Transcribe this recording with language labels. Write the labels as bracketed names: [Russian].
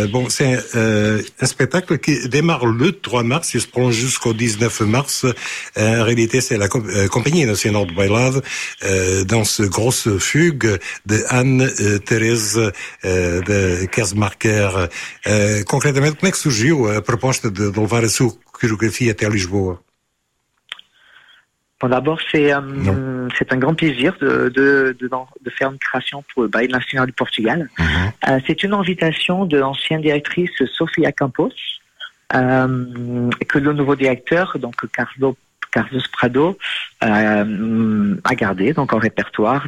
[French] C'est un spectacle qui démarre le 3 mars, il se prend jusqu'au 19 mars. En réalité, c'est la compagnie nationale de Bailado dans ce grosse fugue de Anne-Thérèse de Kersmarker. [Portuguese] Concrètement, como é que surgiu a proposta de levar a sua coreografia até Lisboa? [French] Bon, d'abord, c'est un grand plaisir de faire une création pour le Ballet National du Portugal. Mm-hmm. C'est une invitation de l'ancienne directrice Sofia Campos, que le nouveau directeur, donc Carlos Prado, a gardé, donc en répertoire.